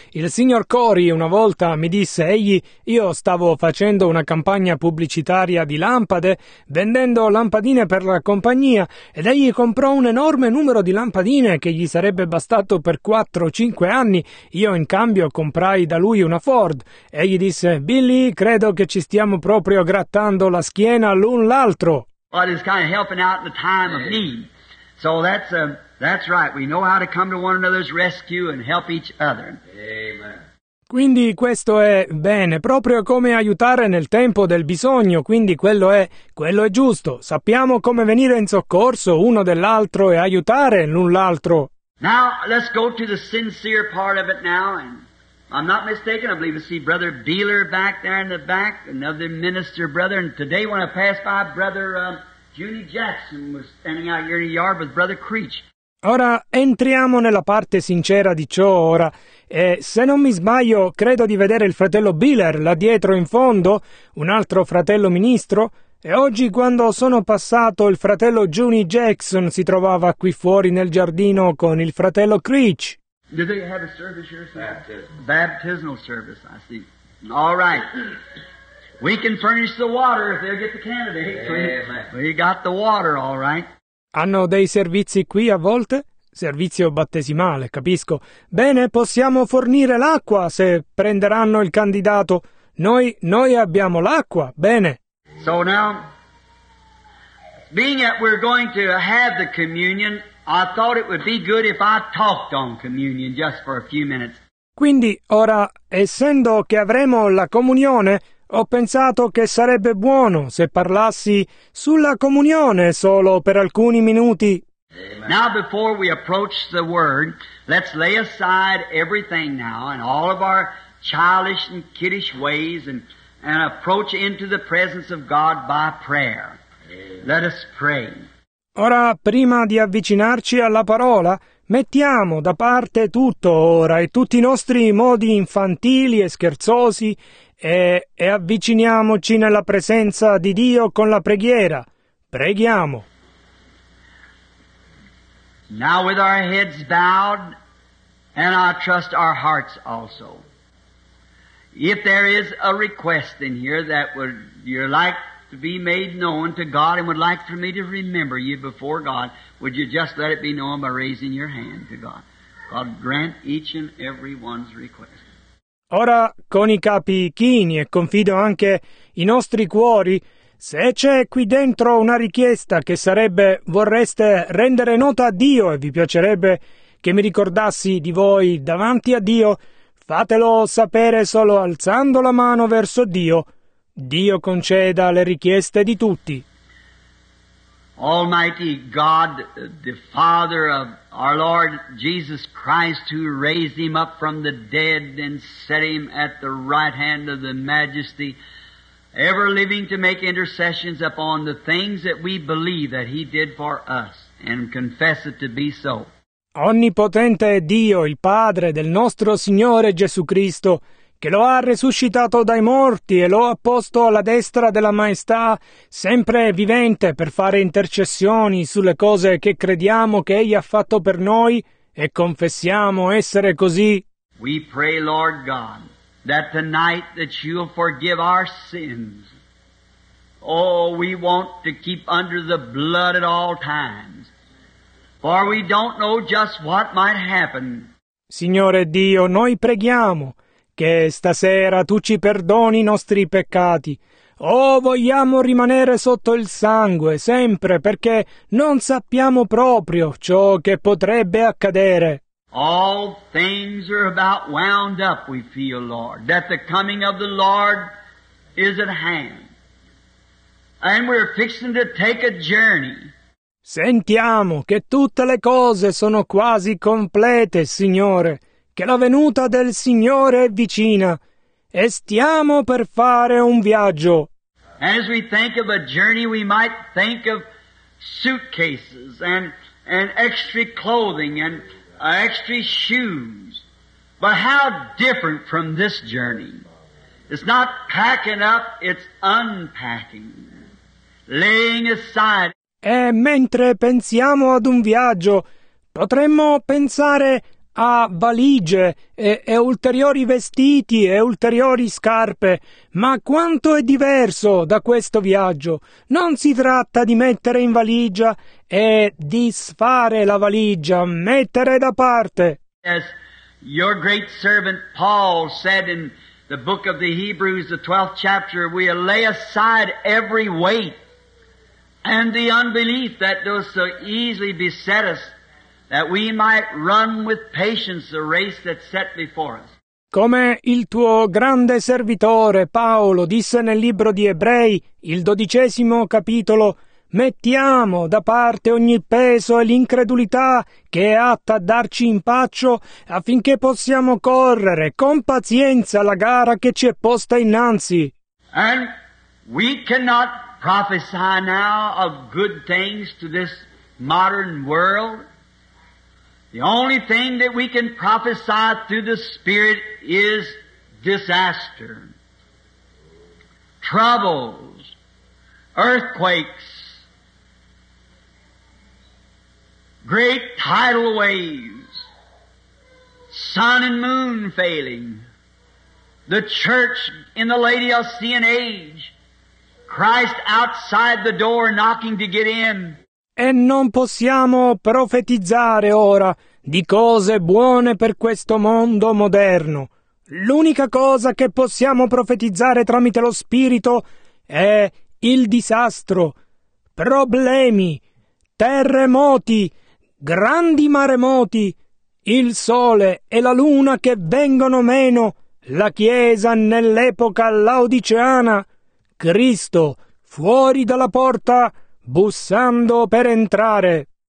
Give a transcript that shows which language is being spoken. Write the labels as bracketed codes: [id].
[it] Il signor Corey una volta mi disse, io stavo facendo una campagna pubblicitaria di lampade, vendendo lampadine per la compagnia, ed egli comprò un enorme numero di lampadine che gli sarebbe bastato per 4-5 anni. Io in cambio comprai da lui una Ford. Egli disse, Billy, credo che ci stiamo proprio grattando la schiena l'un l'altro. [en] But it's kind of helping out in the time of need. So that's right. We know how to come to one another's rescue and help each other. Amen. [it] Quindi questo è bene, proprio come aiutare nel tempo del bisogno. Quindi quello è giusto. Sappiamo come venire in soccorso uno dell'altro e aiutare l'un l'altro. [en] Now let's go to the sincere part of it now. And I'm not mistaken. I believe I see Brother Beeler back there in the back, another minister brother. And today when I pass by Brother Junie Jackson was standing out here in the yard with Brother Creech. [it] Ora entriamo nella parte sincera di ciò ora. E se non mi sbaglio, credo di vedere il fratello Biller là dietro in fondo, un altro fratello ministro. E oggi, quando sono passato, il fratello Junie Jackson si trovava qui fuori nel giardino con il fratello Creech. [en] Did they have a service here, sir? Baptismal service, I see. All right. We can furnish the water if they'll get the candidate. Amen. We got the water, all right. [it] Hanno dei servizi qui a volte? Servizio battesimale, capisco. Bene, possiamo fornire l'acqua se prenderanno il candidato. Noi abbiamo l'acqua, bene. [en] So now, being that we're going to have the communion, I thought it would be good if I talked on communion just for a few minutes. [it] Quindi, ora, essendo che avremo la comunione, ho pensato che sarebbe buono se parlassi sulla comunione solo per alcuni minuti. [en] Now before we approach the word, let's lay aside everything now and all of our childish and kiddish ways and approach into the presence of God by prayer. Let us pray. [it] Ora, prima di avvicinarci alla parola, mettiamo da parte tutto ora e tutti i nostri modi infantili e scherzosi e avviciniamoci nella presenza di Dio con la preghiera. Preghiamo. [en] Now with our heads bowed, and I trust our hearts also. If there is a request in here that would you like to be made known to God and would like for me to remember you before God, would you just let it be known by raising your hand to God? God grant each and every one's request. [it] Ora, con i capi chini e confido anche i nostri cuori, se c'è qui dentro una richiesta che sarebbe vorreste rendere nota a Dio e vi piacerebbe che mi ricordassi di voi davanti a Dio, fatelo sapere solo alzando la mano verso Dio. Dio conceda le richieste di tutti. [en] Almighty God, the Father of our Lord Jesus Christ, who raised him up from the dead and set him at the right hand of the Majesty, ever living to make intercessions upon the things that we believe that he did for us and confess it to be so. [it] Onnipotente Dio, il Padre del nostro Signore Gesù Cristo, che lo ha resuscitato dai morti e lo ha posto alla destra della Maestà, sempre vivente per fare intercessioni sulle cose che crediamo che egli ha fatto per noi e confessiamo essere così. [en] We pray, Lord God, that tonight that you'll forgive our sins. Oh, we want to keep under the blood at all times, for we don't know just what might happen. [it] Signore Dio, noi preghiamo che stasera tu ci perdoni i nostri peccati. Oh, vogliamo rimanere sotto il sangue sempre, perché non sappiamo proprio ciò che potrebbe accadere. [en] All things are about wound up, we feel, Lord, that the coming of the Lord is at hand. And we're fixing to take a journey. [it] Sentiamo che tutte le cose sono quasi complete, Signore, che la venuta del Signore è vicina, e stiamo per fare un viaggio. [en] And as we think of a journey, we might think of suitcases and extra clothing and extra shoes. But how different from this journey. It's not packing up, it's unpacking, laying aside. [it] E mentre pensiamo ad un viaggio, potremmo pensare a valigie e ulteriori vestiti e ulteriori scarpe. Ma quanto è diverso da questo viaggio? Non si tratta di mettere in valigia e disfare la valigia, mettere da parte. [en] As your great servant Paul said in the book of the Hebrews, the 12th chapter, we lay aside every weight and the unbelief that does so easily beset us, that we might run with patience the race that's set before us. [it] Come il tuo grande servitore Paolo disse nel libro di Ebrei, il 12° capitolo, mettiamo da parte ogni peso e l'incredulità che è atta a darci impaccio, affinché possiamo correre con pazienza la gara che ci è posta innanzi. [en] And we cannot prophesy now of good things to this modern world. The only thing that we can prophesy through the Spirit is disaster, troubles, earthquakes, great tidal waves, sun and moon failing, the church in the Laodicean age, Christ outside the door knocking to get in. [it] E non possiamo profetizzare ora di cose buone per questo mondo moderno. L'unica cosa che possiamo profetizzare tramite lo Spirito è il disastro, problemi, terremoti, grandi maremoti, il sole e la luna che vengono meno, la Chiesa nell'epoca laodiceana, Cristo fuori dalla porta bussando per entrare.